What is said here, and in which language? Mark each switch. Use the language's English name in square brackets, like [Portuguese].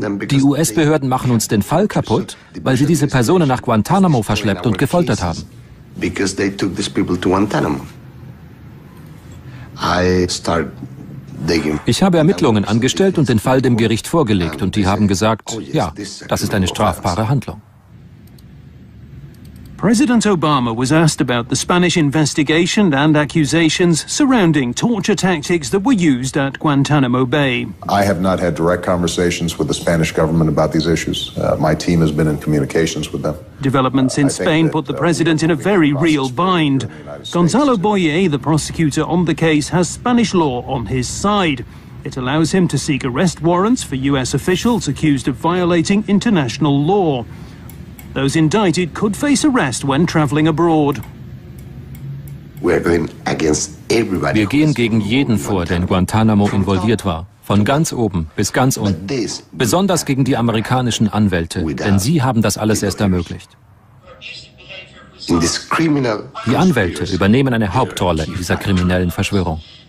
[German] Die US-Behörden machen uns den Fall kaputt, weil sie diese Personen nach Guantanamo verschleppt und gefoltert haben. Ich habe Ermittlungen angestellt und den Fall dem Gericht vorgelegt und die haben gesagt, ja, das ist eine strafbare Handlung. [English] President Obama was asked about the Spanish investigation and accusations surrounding torture tactics that were used at Guantanamo Bay. I have not had direct conversations with the Spanish government about these issues. My team has been in communications with them. Developments in Spain put the president in a very real bind. Gonzalo Boyer, the prosecutor on the case, has Spanish law on his side. It allows him to seek arrest warrants for U.S. officials accused of violating international law. Those indicted could face arrest when traveling abroad. [German] Wir gehen gegen jeden vor, der in Guantanamo involviert war, von ganz oben bis ganz unten. Besonders gegen die amerikanischen Anwälte, denn sie haben das alles erst ermöglicht. Die Anwälte übernehmen eine Hauptrolle in dieser kriminellen Verschwörung.